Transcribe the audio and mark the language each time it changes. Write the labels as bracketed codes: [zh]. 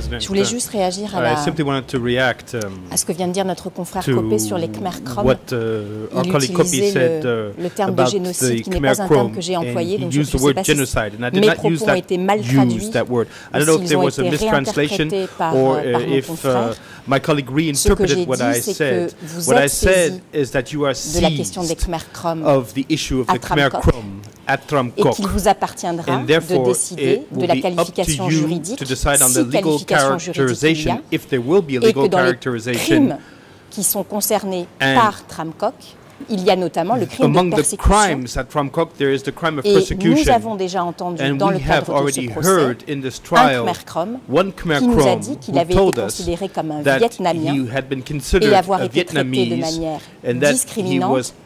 [fr] Je voulais juste réagir à ce que vient de dire notre confrère Copé sur les Khmer Krom. Il utilisait le terme de génocide qui n'est pas un terme que j'ai employé, donc je ne sais pas si mes propos ont été mal traduits, s'ils ont été réinterprétés par mon confrère. [en] My colleague reinterpreted what I said. What I said is that you are seized of the issue of the Khmer Krom at Tramcock. And therefore, it will be up to you to decide on the legal characterization, if there will be a legal characterization. [fr] Qui sont concernés par Tramcock, il y a notamment le crime de persécution. [en] Among the crimes at Tramcock, there is the crime of persecution. [fr] Et nous avons déjà entendu dans le cadre de ce procès un Khmer Krom qui nous a dit qu'il avait été considéré comme un Vietnamien et avoir été traité de manière discriminante.